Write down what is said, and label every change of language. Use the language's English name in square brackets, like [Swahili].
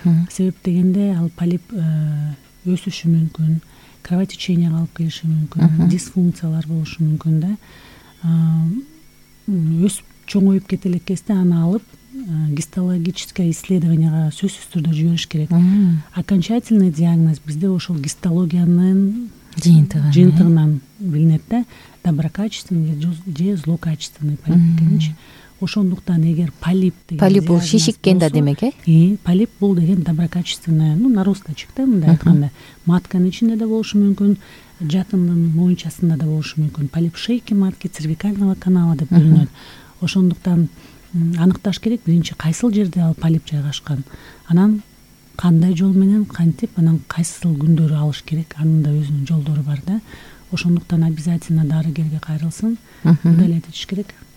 [Kyrgyz] Себеп дегенде ал полип өсүшү мүмкүн, кровотеченияга алып келиши мүмкүн, дисфункциялар болушу мүмкүн да. Өсүп чоңоюп кете элек кезде аны алып гистологическое исследованияга сөзсүз түрдө жибериш керек. Окончательный диагноз бизде ошол гистологиянын жыйынтыгынан билинет да. Доброкачественный же злокачественный полип экенинчи. Ошондуктан эгер полип деген полип бул шишиккен да демек э? Полип бул деген доброкачественный, ну на русскочек да, мындай айтканда матканын ичинде да болушу мүмкүн, жатындын моюнчасында да болушу мүмкүн. [Russian] Полип шейки матки, цервикального канала [Kyrgyz] деп бөлүнөт. Ошондуктан аныкташ керек, биринчи кайсыл жерде ал полип жайгашкан, анан кандай жол менен, кантип, анан кайсыл күндөрү алыш керек, анын да өзүнүн жолдору бар да. ошондуктан обязательно дарыгерге кайрылсын, далет этиш керек.